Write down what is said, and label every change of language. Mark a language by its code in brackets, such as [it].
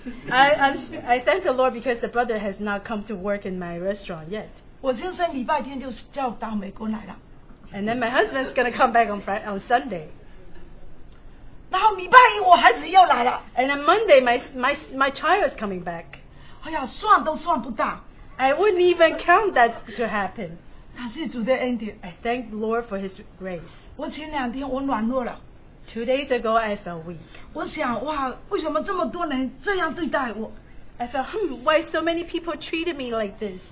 [en] I thank the Lord because the brother has not come to work in my restaurant yet. [zh] 我先生礼拜天就叫到美国来了。 [en] And then my husband's going to come back on Sunday. [zh] 然后礼拜一我孩子又来了。 [en] And then Monday, my child is coming back. [zh] 哎呀，算都算不到。 [en] I wouldn't even count that to happen. [zh] 感谢主的恩典。 [en] I thank the Lord for his grace. [zh] 我前两天我软弱了。 [en] Two days ago, I felt weak. [zh] 我想，哇，为什么这么多人这样对待我？ [en] I felt, why so many people treated me like this?